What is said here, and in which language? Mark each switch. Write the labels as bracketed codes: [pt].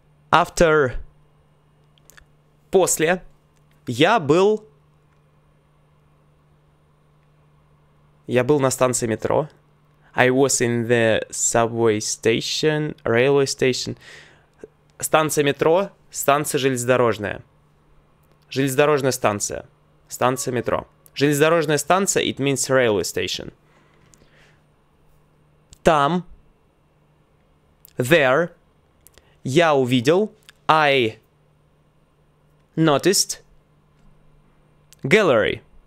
[en] After, [ru] после, я был на станции метро. [en] I was in the subway station, railway station. [ru] Станция метро, станция железнодорожная. Железнодорожная станция. Станция метро. Железнодорожная станция, [en] it means railway station. [ru] Там, [en] there, [ru] я увидел, [en] I noticed, gallery.